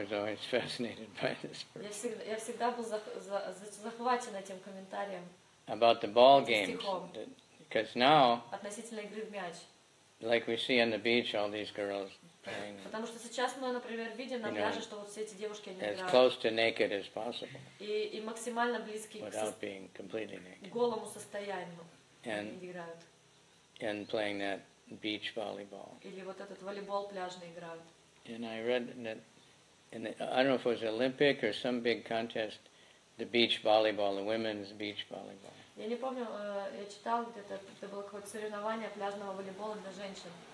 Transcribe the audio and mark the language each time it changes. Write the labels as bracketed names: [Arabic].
[Russian] Я всегда был захвачен этим комментарием. [English] About the ball games. Because now, [Russian] относительно игры в мяч. [English] Like we see on the beach, all these girls playing. [Russian] Потому что сейчас мы, например, видим на пляже, что вот все эти девушки они играют. [English] As close to naked as possible. [Russian] И максимально близки к [English] without being completely naked. [Russian] Голому состоянию. [English] And playing that beach volleyball. [Russian] Или вот этот волейбол пляжный играют. [English] And I read that, in the, I don't know if it was Olympic or some big contest, the beach volleyball, the women's beach volleyball. [Russian] Я не помню, я читал где-то, это было какое-то соревнование пляжного волейбола для женщин.